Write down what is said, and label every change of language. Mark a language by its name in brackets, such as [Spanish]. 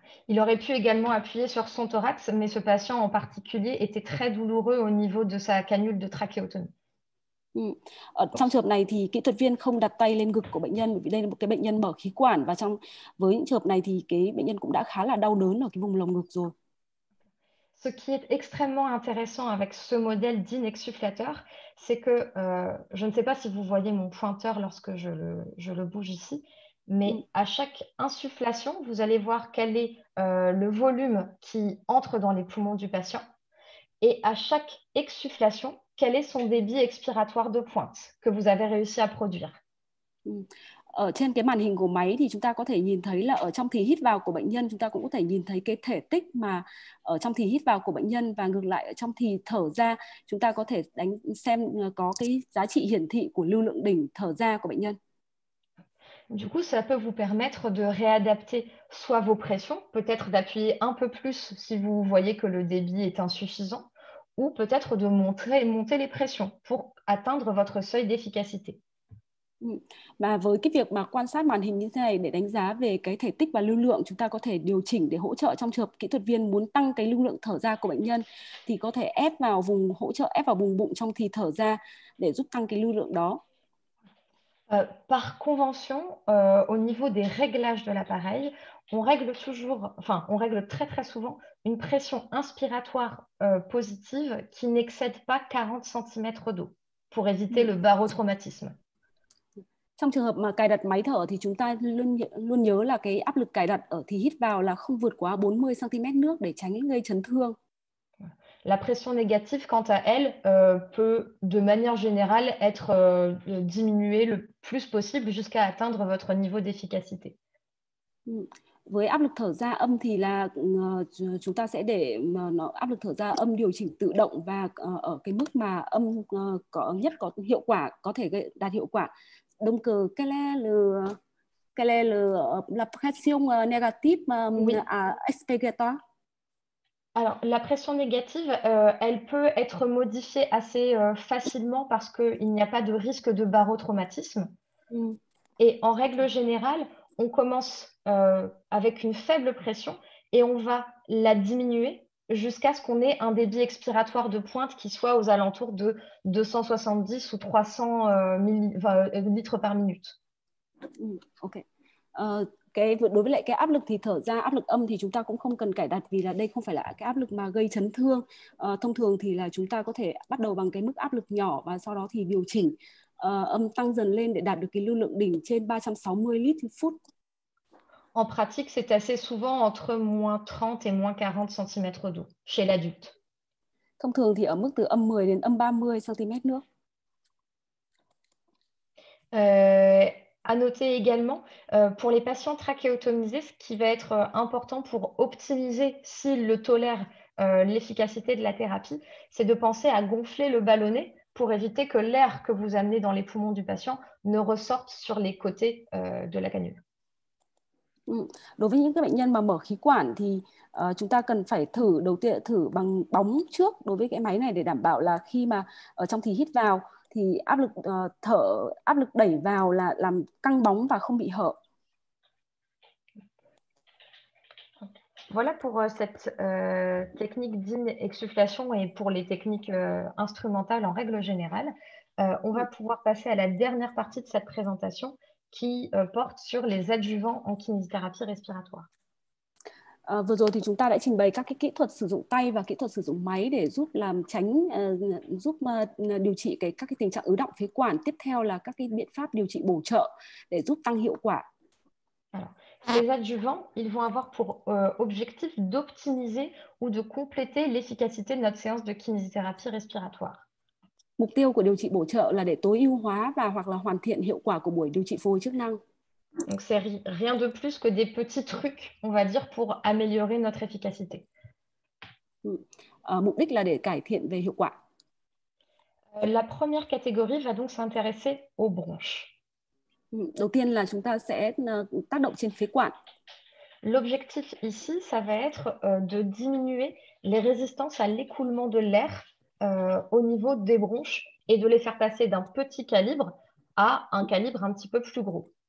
[French] Il aurait pu également appuyer sur son thorax, mais ce patient en particulier était très douloureux au niveau de sa cannule de trachéotomie. [Vietnamese] Ở trong trường hợp này thì kỹ thuật viên không đặt tay lên ngực của bệnh nhân bởi vì đây là một cái bệnh nhân mở khí quản và trong với những trường hợp này thì cái bệnh nhân cũng đã khá là đau đớn ở cái vùng lồng ngực rồi. [French] Ce qui est extrêmement intéressant avec ce modèle d'inexsufflateur, c'est que je ne sais pas si vous voyez mon pointeur lorsque je le bouge ici, mais à chaque insufflation, vous allez voir quel est le volume qui entre dans les poumons du patient, et à chaque exsufflation, quel est son débit expiratoire de pointe que vous avez réussi à produire. [Vietnamese] Ở trên cái màn hình của máy thì chúng ta có thể nhìn thấy là ở trong thì hít vào của bệnh nhân chúng ta cũng có thể nhìn thấy cái thể tích mà ở trong thì hít vào của bệnh nhân và ngược lại ở trong thì thở ra chúng ta có thể đánh xem có cái giá trị hiển thị của lưu lượng đỉnh thở ra của bệnh nhân. [French] Du coup, ça peut vous permettre de réadapter soit vos pressions, peut-être d'appuyer un peu plus si vous voyez que le débit est insuffisant, ou peut-être de monter les pressions pour atteindre votre seuil d'efficacité. [Vietnamese] Mà với cái việc mà quan sát màn hình như thế này để đánh giá về cái thể tích và lưu lượng, chúng ta có thể điều chỉnh để hỗ trợ trong trường hợp kỹ thuật viên muốn tăng cái lưu lượng thở ra của bệnh nhân thì có thể ép vào vùng hỗ trợ, ép vào vùng bụng trong thì thở ra để giúp tăng cái lưu lượng đó. [French] Par convention, au niveau des réglages de l'appareil, on règle toujours, enfin, on règle très très souvent une pression inspiratoire positive qui n'excède pas 40 cm d'eau pour éviter le barotraumatisme. [Vietnamese] Trong trường hợp mà cài đặt máy thở thì chúng ta luôn luôn nhớ là cái áp lực cài đặt ở thì hít vào là không vượt quá 40 cm nước để tránh gây chấn thương. [French] La pression négative, quant à elle, peut de manière générale être diminuée le plus possible jusqu'à atteindre votre niveau d'efficacité. [Vietnamese] Với áp lực thở ra âm thì là chúng ta sẽ để mà nó áp lực thở ra âm điều chỉnh tự động và ở cái mức mà âm có nhất có hiệu quả, có thể gây, đạt hiệu quả. Động cơ cái le là [French] la pression négative Oui. à expirator. Alors, la pression négative, elle peut être modifiée assez facilement parce qu'il n'y a pas de risque de barotraumatisme. Et en règle générale, on commence avec une faible pression et on va la diminuer jusqu'à ce qu'on ait un débit expiratoire de pointe qui soit aux alentours de 270 ou 300 litres par minute. OK. [Vietnamese] Cái đối với lại cái áp lực thì thở ra, áp lực âm thì chúng ta cũng không cần cài đặt vì là đây không phải là cái áp lực mà gây chấn thương. Thông thường thì là chúng ta có thể bắt đầu bằng cái mức áp lực nhỏ và sau đó thì điều chỉnh âm tăng dần lên để đạt được cái lưu lượng đỉnh trên 360 lít phút. [French] En pratique, c'est assez souvent entre moins 30 et moins 40 cm d'eau chez l'adulte. [Vietnamese] Thông thường thì ở mức từ âm 10 đến âm 30 cm nước. [French] À noter également, pour les patients trachéotomisés, ce qui va être important pour optimiser, s'ils le tolèrent, l'efficacité de la thérapie, c'est de penser à gonfler le ballonnet pour éviter que l'air que vous amenez dans les poumons du patient ne ressorte sur les côtés, de la canule. [Vietnamese] Đối với những cái bệnh nhân mà mở khí quản thì chúng ta cần phải thử đầu tiên thử bằng bóng trước đối với cái máy này để đảm bảo là khi mà ở trong thì hít vào thì áp lực thở áp lực đẩy vào là làm căng bóng và không bị hở. [French] Voilà pour cette technique d'inexufflation et pour les techniques instrumentales en règle générale. On va pouvoir passer à la dernière partie de cette présentation qui porte sur les adjuvants en kinésithérapie respiratoire. [Vietnamese] Vừa rồi thì chúng ta đã trình bày các cái kỹ thuật sử dụng tay và kỹ thuật sử dụng máy để giúp làm tránh giúp điều trị cái các cái tình trạng ứ động phế quản. Tiếp theo là các cái biện pháp điều trị bổ trợ để giúp tăng hiệu quả. [French] Ces adjuvants, ils vont avoir pour objectif d'optimiser ou de compléter l'efficacité de notre séance de kinésithérapie respiratoire. [Vietnamese] Mục tiêu của điều trị bổ trợ là để tối ưu hóa và hoặc là hoàn thiện hiệu quả của buổi điều trị phục hồi chức năng. [French] Donc, c'est rien de plus que des petits trucs, on va dire, pour améliorer notre efficacité. [Vietnamese] Mục đích là để cải thiện về hiệu quả. [French] La première catégorie va donc s'intéresser aux bronches. [Vietnamese] Đầu tiên là chúng ta sẽ tác động trên phế quản. [French] L'objectif ici, ça va être de diminuer les résistances à l'écoulement de l'air au niveau des bronches et de les faire passer d'un petit calibre à un calibre un petit peu plus gros.